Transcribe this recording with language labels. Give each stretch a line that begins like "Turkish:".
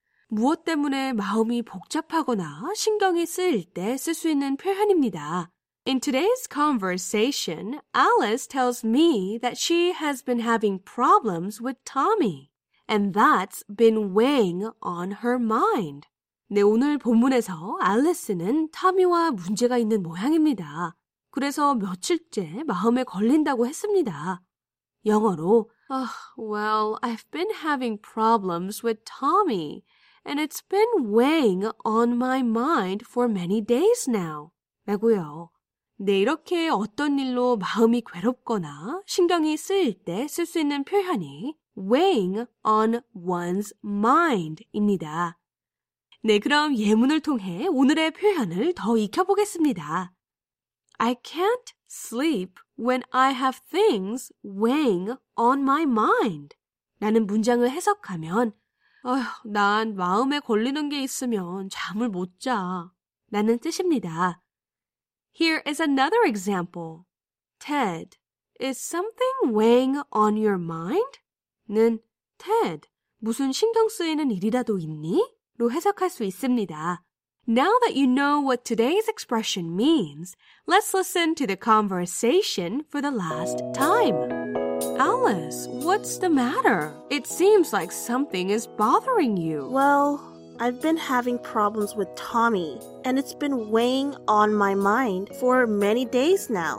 Korean: 무엇 때문에 마음이 복잡하거나 신경이 쓰일 때 쓸 수 있는 표현입니다.
English: In today's conversation, Alice tells me that she has been having problems with Tommy, and that's been weighing on her mind.
Korean: 네, 오늘 본문에서 알리스는 타미와 문제가 있는 모양입니다. 그래서 며칠째 마음에 걸린다고 했습니다. 영어로
English: Well, I've been having problems with Tommy, and it's been weighing on my mind for many days now.
Korean: 라고요. 네, 이렇게 어떤 일로 마음이 괴롭거나 신경이 쓰일 때 쓸 수 있는 표현이
English: weighing on one's mind
Korean: 입니다. 네, 그럼 예문을 통해 오늘의 표현을 더 익혀보겠습니다.
English: I can't sleep when I have things weighing on my mind.
Korean: 라는 문장을 해석하면 난 마음에 걸리는 게 있으면 잠을 못 자. 라는 뜻입니다.
English: Here is another example. Ted, is something weighing on your mind?
Korean: 는 Ted, 무슨 신경 쓰이는 일이라도 있니? 로 해석할 수 있습니다.
English: Now that you know what today's expression means, let's listen to the conversation for the last time. Alice, what's the matter? It seems like something is bothering you. Well, I've been having problems with Tommy, and it's been weighing on my mind for many days now.